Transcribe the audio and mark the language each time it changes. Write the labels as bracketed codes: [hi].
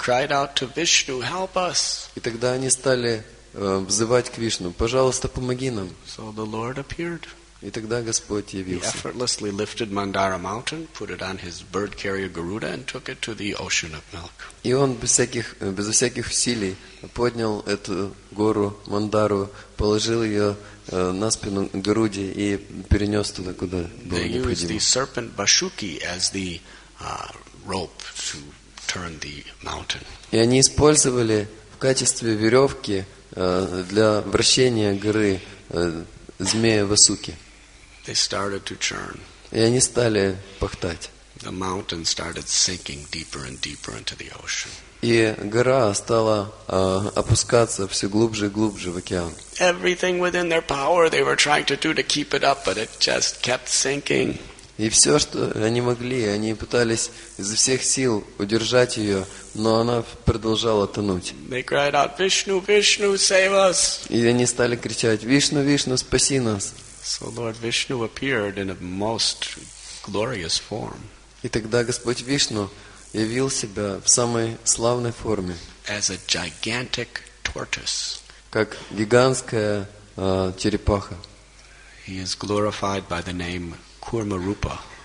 [en] Cried out to Vishnu, help us. [ru] И тогда они стали взывать к Вишну, пожалуйста, помоги нам. [en] So the Lord appeared. [ru] И тогда Господь явился. [en] He effortlessly lifted Mandara Mountain, put it on his bird carrier Garuda, and took it to the ocean of milk. [ru] И он безо всяких усилий поднял эту гору Мандару, положил ее на спину Гаруде и перенес туда, куда было необходимо. [en] They used the serpent Vashuki as the rope to turn the mountain. [ru] И они использовали в качестве веревки для вращения горы змея Васуки. [en] They started to churn. [ru] И они стали пахтать. [en] The mountain started sinking deeper and deeper into the ocean. [ru] И гора стала опускаться все глубже и глубже в океан. [en] Everything within their power they were trying to do to keep it up, but it just kept sinking. [ru] И все, что они могли, они пытались изо всех сил удержать ее, но она продолжала тонуть. [en] They cried out, Vishnu, Vishnu, save us! [ru] И они стали кричать, Вишну, Вишну, спаси нас! [en] So Lord Vishnu appeared in a most glorious form. [ru] И тогда Господь Вишну явил себя в самой славной форме, [en] as a gigantic tortoise. [ru] Как гигантская черепаха. [en] He is glorified by the name Kurma Rupa.